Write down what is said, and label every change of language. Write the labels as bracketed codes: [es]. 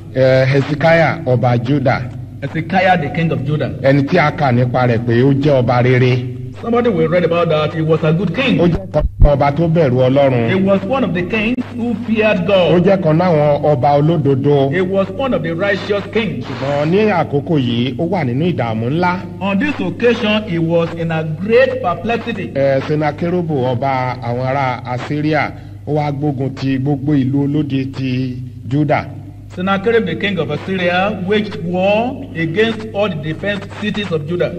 [yo] Hezekiah, Oba Judah. [en] Hezekiah, the king of Judah. [yo] Ẹni tí a kà nípa rẹ̀ pé ó jẹ́ ọba rere. [en] Somebody will read about that. He was a good king. [yo] Ó jẹ́ kan ọba tó bẹ̀rù Ọlọ́run. [en] He was one of the kings who feared God. [yo] Ó jẹ́ kan náwọn ọba olódodo. [en] He was one of the righteous kings. [yo] Ṣùgbọ́n ní àkókò yìí, ó wà nínú ìdààmú ńlá. [en] On this occasion, he was in a great perplexity. [yo] Senakeribu, ọba àwọn ará Assyria, ó wá gbógun ti gbogbo ìlú olódi ti Judah. [en] Sennacherib, the king of Assyria, waged war against all the defense cities of Judah.